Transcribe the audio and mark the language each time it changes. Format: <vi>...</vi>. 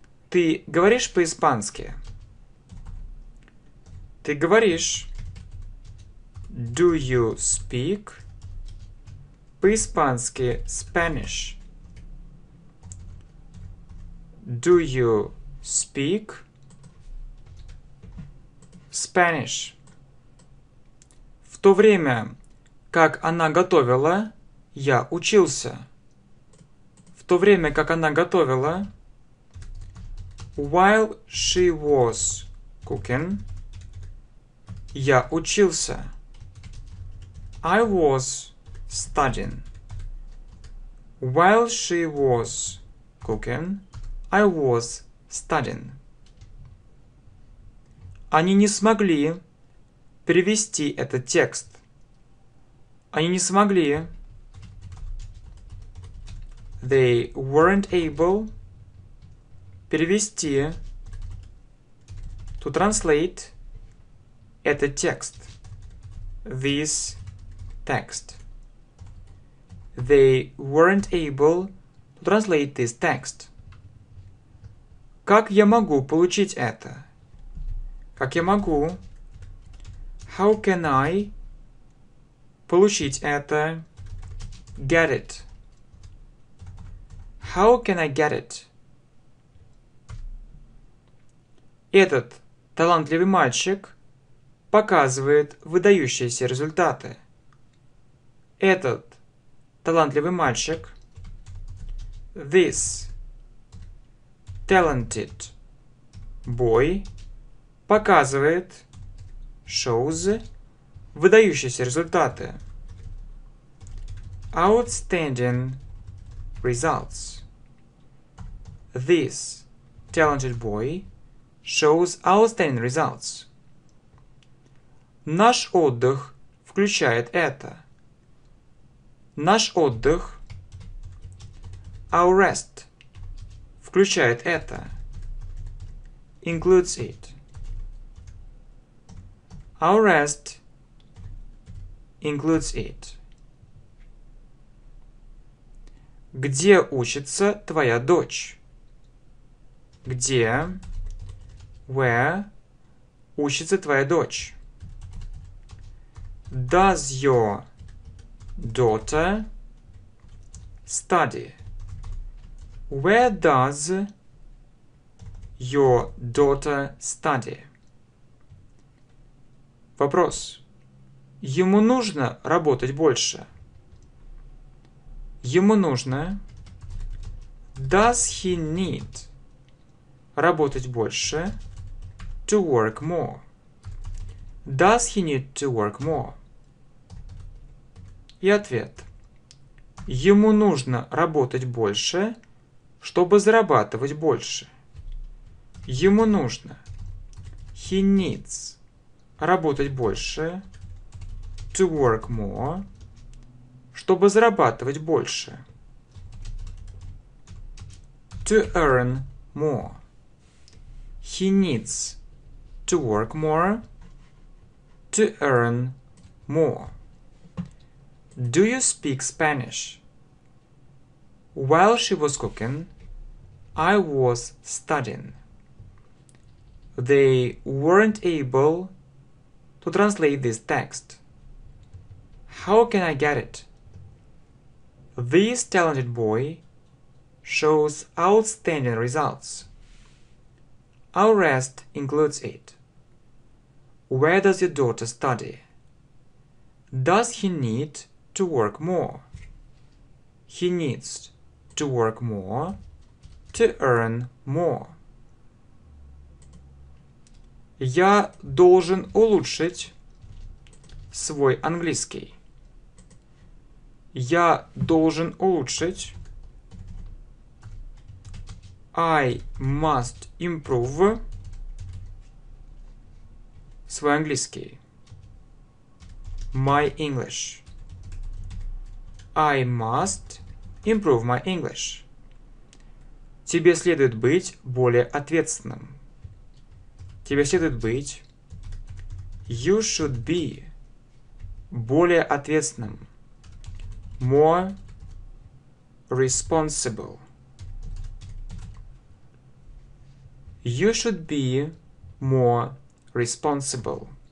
<ru>Ты говоришь по-испански? Ты говоришь.</ru> <en>Do you speak</en> <ru>по-испански</ru> <en>Spanish? Do you speak Spanish?</en> <ru>В то время, как она готовила, я учился. В то время, как она готовила,</ru> <en>while she was cooking,</en> <ru>я учился.</ru> <en>I was studying. While she was cooking, I was studying.</en> <ru>Они не смогли перевести этот текст. Они не смогли.</ru> <en>They weren't able</en> <ru>перевести</ru> <en>to translate</en> <ru>этот текст.</ru> <en>This text. They weren't able to translate this text.</en> <ru>Как я могу получить это? Как я могу?</ru> <en>How can I</en> <ru>получить это?</ru> <en>Get it. How can I get it?</en> <ru>Этот талантливый мальчик показывает выдающиеся результаты. Этот талантливый мальчик.</ru> <en>This talented boy</en> <ru>показывает,</ru> <en>shows,</en> <ru>выдающиеся результаты.</ru> <en>Outstanding results. This talented boy shows outstanding results.</en> <ru>Наш отдых включает это. Наш отдых,</ru> <en>our rest,</en> <ru>включает это,</ru> <en>includes it. Our rest includes it.</en> <ru>Где учится твоя дочь? Где,</ru> <en>where,</en> <ru>учится твоя дочь?</ru> <en>Does your daughter study? Where does your daughter study?</en> <ru>Вопрос. Ему нужно работать больше. Ему нужно.</ru> <en>Does he need</en> <ru>работать больше?</ru> <en>To work more. Does he need to work more?</en> <ru>И ответ. Ему нужно работать больше, чтобы зарабатывать больше. Ему нужно.</ru> <en>He needs</en> <ru>работать больше.</ru> <en>To work more.</en> <ru>Чтобы зарабатывать больше.</ru> <en>To earn more. He needs to work more. To earn more. Do you speak Spanish? While she was cooking, I was studying. They weren't able to translate this text. How can I get it? This talented boy shows outstanding results. Our rest includes it. Where does your daughter study? Does he need to work more? He needs to work more to earn more.</en> <ru>Я должен улучшить свой английский. Я должен улучшить.</ru> <en>I must improve</en> <ru>свой английский.</ru> <en>My English. I must improve my English.</en> <ru>Тебе следует быть более ответственным. Тебе следует быть.</ru> <en>You should be</en> <ru>более ответственным.</ru> <en>More responsible. You should be more responsible.</en>